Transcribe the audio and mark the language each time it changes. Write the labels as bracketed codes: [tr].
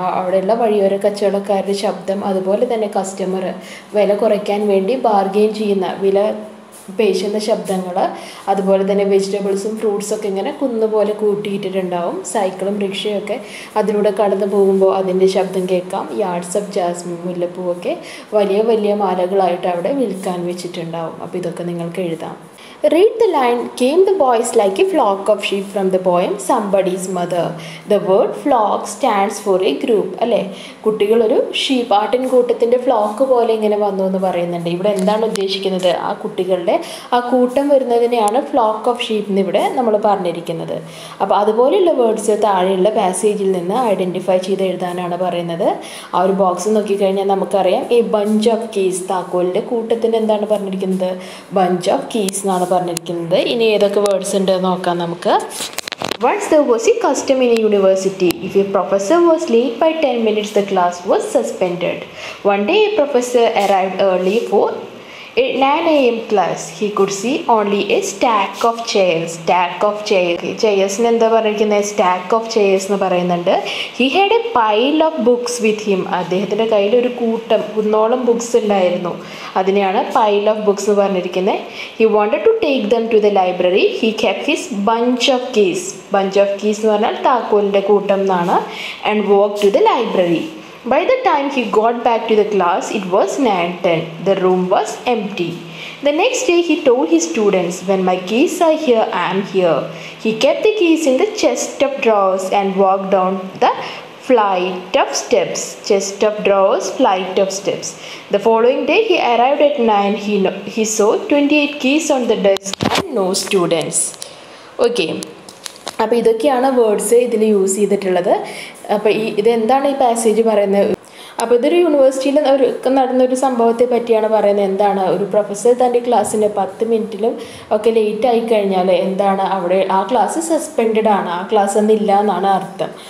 [ml] അവിടെയുള്ള വഴിയോര കച്ചവടക്കാരുടെ ശബ്ദം, അതുപോലെ തന്നെ കസ്റ്റമർ വില കുറയ്ക്കാൻ വേണ്ടി ബാർഗെയിൻ ചെയ്യുന്ന വില പേശുന്ന ശബ്ദങ്ങൾ, അതുപോലെ തന്നെ വെജിറ്റബിൾസും ഫ്രൂട്ട്സൊക്കെ ഇങ്ങനെ കുന്നുപോലെ കൂട്ടിയിട്ടിട്ടുണ്ടാവും. സൈക്കിളും റിക്ഷയൊക്കെ അതിലൂടെ കടന്നു പോകുമ്പോൾ അതിൻ്റെ ശബ്ദം കേൾക്കാം. [en] yards of jasmine, [ml] മുല്ലപ്പൂവൊക്കെ വലിയ വലിയ മാലകളായിട്ട് അവിടെ വിൽക്കാൻ വെച്ചിട്ടുണ്ടാവും. അപ്പോൾ ഇതൊക്കെ നിങ്ങൾക്ക് എഴുതാം. [en] Read the line, came the boys like a flock of sheep from the poem Somebody's Mother. The word flock stands for a group. [ml] അല്ലേ, കുട്ടികൾ ഒരു ഷീപ്പ്, ആട്ടിൻ കൂട്ടത്തിൻ്റെ ഫ്ലോക്ക് പോലെ ഇങ്ങനെ വന്നു എന്ന് പറയുന്നുണ്ട്. ഇവിടെ എന്താണ് ഉദ്ദേശിക്കുന്നത്, ആ കുട്ടികളുടെ ആ കൂട്ടം വരുന്നതിനെയാണ് ഫ്ലോക്ക് ഓഫ് ഷീപ്പ് എന്ന് ഇവിടെ നമ്മൾ പറഞ്ഞിരിക്കുന്നത്. അപ്പോൾ അതുപോലെയുള്ള വേർഡ്സ് താഴെയുള്ള പാസേജിൽ നിന്ന് ഐഡൻറ്റിഫൈ ചെയ്ത് എഴുതാനാണ് പറയുന്നത്. ആ ഒരു ബോക്സ് നോക്കിക്കഴിഞ്ഞാൽ നമുക്കറിയാം ഈ ബഞ്ച് ഓഫ് കീസ്, താക്കോലിൻ്റെ കൂട്ടത്തിൻ്റെ എന്താണ് പറഞ്ഞിരിക്കുന്നത്, ബഞ്ച് ഓഫ് കീസ് എന്നാണ് പറഞ്ഞിരിക്കുന്നത്. ഇനി ഏതൊക്കെ വേർഡ്സ് ഉണ്ട് നോക്കാം നമുക്ക്. [en] Once there was a custom in a university, if a professor was late by 10 minutes, the class was suspended. One day a professor arrived early for 9 AM class. He could see only a stack of chairs. Stack of chairs. Stack of chairs. He had a pile of books with him. [ml] അദ്ദേഹത്തിൻ്റെ കയ്യിൽ ഒരു കൂട്ടം ഒന്നോളം books ഉണ്ടായിരുന്നു. അതിനെയാണ് pile of books എന്ന് പറഞ്ഞിരിക്കുന്നത്. [en] He wanted to take them to the library. He kept his bunch of keys. [ml] Bunch of keys എന്ന് പറഞ്ഞാൽ താക്കോലിൻ്റെ കൂട്ടം എന്നാണ്. [en] And walked to the library. By the time he got back to the class, it was 9:10. The room was empty. The next day he told his students, when my keys are here, I am here. He kept the keys in the chest of drawers and walked down the flight of steps. Chest of drawers, flight of steps. The following day he arrived at 9. He saw 28 keys on the desk and no students. Okay. [ml] അപ്പോൾ ഇതൊക്കെയാണ് words ഇതിൽ use ചെയ്തിട്ടുള്ളത്. അപ്പോൾ ഈ ഇതെന്താണ് ഈ passage പറയുന്നത്. അപ്പോൾ ഇതൊരു യൂണിവേഴ്സിറ്റിയിൽ ഒരു നടന്നൊരു സംഭവത്തെ പറ്റിയാണ് പറയുന്നത്. എന്താണ്, ഒരു പ്രൊഫസർ തൻ്റെ ക്ലാസ്സിൻ്റെ 10 മിനിറ്റിലും ഒക്കെ ലേറ്റ് ആയി കഴിഞ്ഞാൽ എന്താണ് അവിടെ ആ ക്ലാസ് സസ്പെൻഡ് ആണ്, ആ ക്ലാസ് ഒന്നില്ല എന്നാണ് അർത്ഥം.